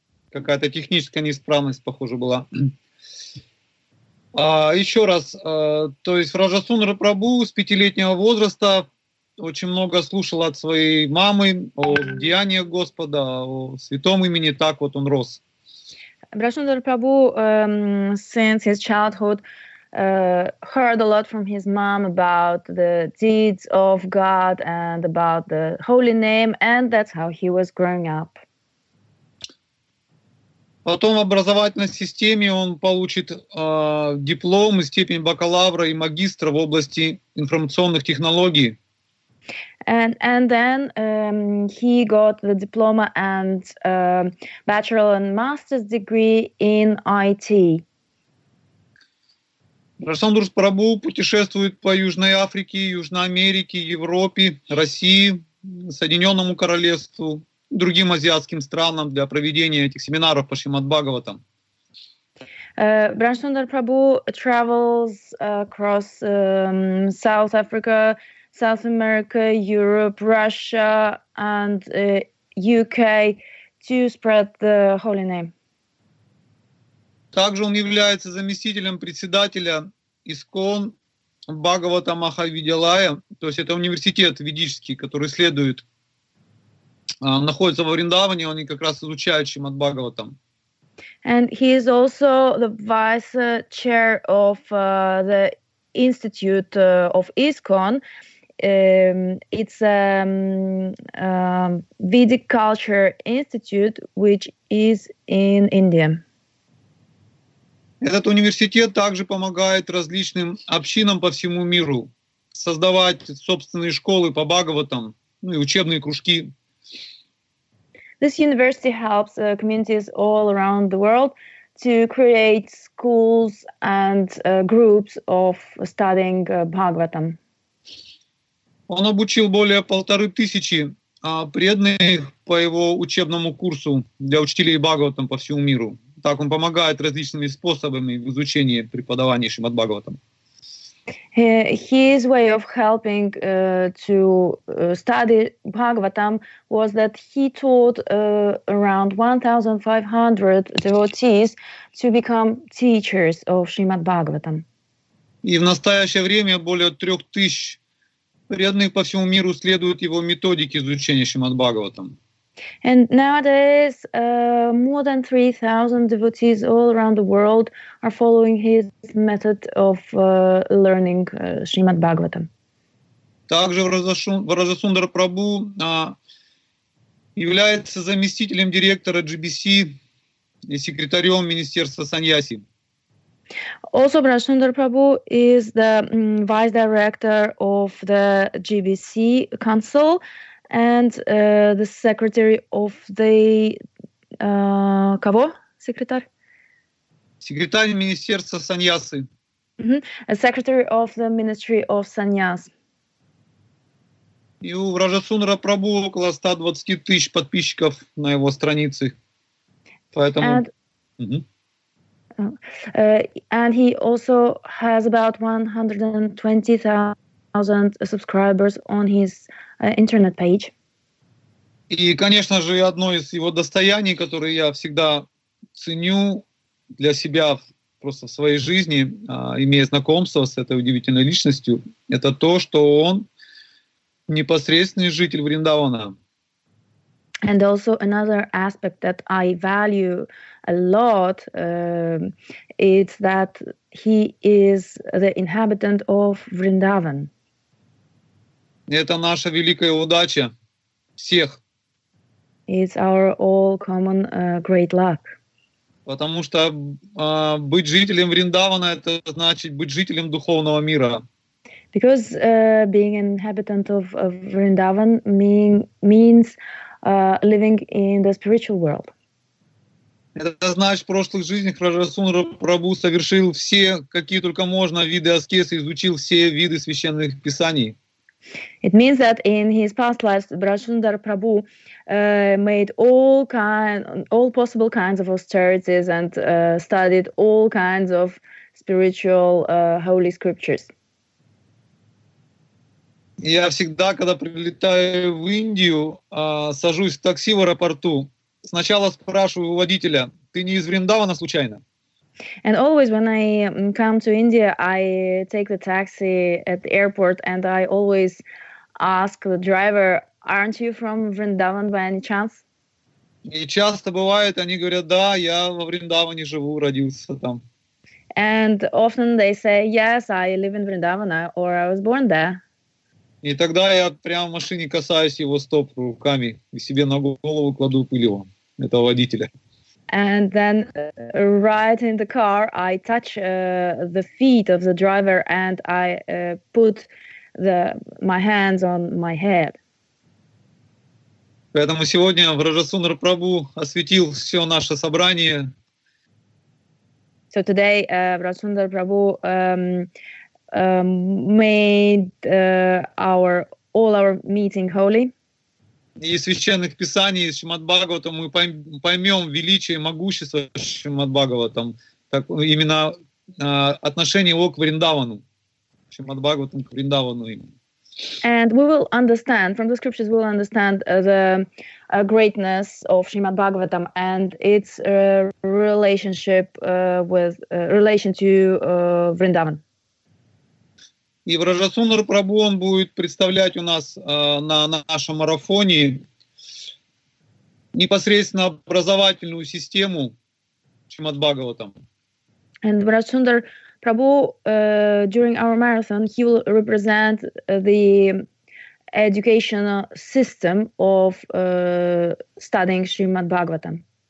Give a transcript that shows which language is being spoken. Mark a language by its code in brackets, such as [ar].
[ru] Какая-то техническая неисправность, похоже, была. Еще раз, то есть Враджа Сундара Прабу с 5-летнего возраста очень много слушал от своей мамы о деяниях Господа, о святом имени, так вот он рос. [en] Враджа Сундара Прабу since his childhood heard a lot from his mom about the deeds of God and about the holy name, and that's how he was growing up. [ru] Потом в образовательной системе он получит диплом и степень бакалавра и магистра в области информационных технологий. [en] And then he got the diploma and bachelor and master's degree in IT. [ru] Рашандур Прабу путешествует по Южной Африке, Южной Америке, Европе, России, Соединенному Королевству, другим азиатским странам для проведения этих семинаров по Шримад-Бхагаватам. [en] Рашандур Прабу travels across South Africa, South America, Europe, Russia and UK to spread the holy name. [ru] Также он является заместителем председателя ИСККОН Бхагавата Махавидьялая, то есть это университет ведический, который следует, находится во Вриндаване, они как раз изучают Шримад Бхагаватам. [en] And he is also the vice chair of the Institute of ISKCON. It's a Vedic culture institute, which is in India. [ru] Этот университет также помогает различным общинам по всему миру создавать собственные школы по Бхагаватам, ну и учебные кружки. [en] This university helps communities all around the world to create schools and groups of studying Bhagavatam. [ru] Он обучил более 1500 преданных по его учебному курсу для учителей Бхагаватам по всему миру. Так он помогает различными способами в изучении преподавания Шримад-Бхагаватам. [en] His way of helping to study Bhagavatam was that he taught around 1,500 devotees to become teachers of Srimad Bhagavatam. [ru] И в настоящее время более 3000 преданных по всему миру следуют его методике изучения Шримад Бхагаватам. [en] And nowadays, more than 3,000 devotees all around the world are following his method of learning Srimad Bhagavatam. [ru] Также в Раджасундар Прабу является заместителем директора GBC и секретарем Министерства Саньяси. [en] Also, Rajasundar Prabhu is the vice director of the GBC Council and the secretary of the [ru] кого? Секретарь? Секретарь Министерства Саньясы. [en] A secretary of the Ministry of Sanyas. [ru] И у Раджасундара Прабу около 120 тысяч подписчиков на его странице. Поэтому... [en] And... And he also has about 120,000 subscribers on his internet page. [ru] И, конечно же, одно из его достояний, которое я всегда ценю для себя просто в своей жизни, имея знакомство с этой удивительной личностью, это то, что он непосредственный житель Вриндавана. [en] And also another aspect that I value a lot is that he is the inhabitant of Vrindavan. [ru] Это наша великая удача всех. [en] It's our all common great luck. [ru] Потому что быть жителем Вриндавана — это значит быть жителем духовного мира. [en] Because being inhabitant of Vrindavan means living in the spiritual world. [ru] Это значит, в прошлых жизнях Раджасундара Прабу совершил все, какие только можно, виды аскезы, изучил все виды священных писаний. [en] It means that in his past life, Раджасундара Прабу made all possible kinds of austerities and studied all kinds of spiritual holy scriptures. [ru] Я всегда, когда прилетаю в Индию, сажусь в такси в аэропорту, сначала спрашиваю у водителя, ты не из Вриндавана случайно? [en] And always when I come to India, I take the taxi at the airport and I always ask the driver, aren't you from Vrindavan by any chance? [ru] И часто бывает, они говорят, да, я во Вриндаване живу, родился там. [en] And often they say, yes, I live in Vrindavana or I was born there. [ru] И тогда я прямо в машине касаюсь его стоп руками и себе на голову кладу пылью этого водителя. [en] And then right in the car I touch the feet of the driver and I put my hands on my head. [ru] Поэтому сегодня Раджасундара Прабу осветил все наше собрание. [en] So today Раджасундара Прабу made all our meeting holy. [ru] Из священных писаний, из Шримад Бхагаватам, мы поймем величие и могущество Шримад Бхагаватам, так, именно отношение его к Вриндавану, Шримад Бхагаватам к Вриндавану. [en] And we will understand, from the scriptures we will understand the greatness of Shrimad Bhagavatam and its relationship with, relation to Vrindavan. [ru] И Раджасундара Прабу он будет представлять у нас на нашем марафоне непосредственно образовательную систему Шримад Бхагаватам. [en] And Раджасундара Прабу during our marathon he will represent the educational system of studying Шримад Бхагаватам.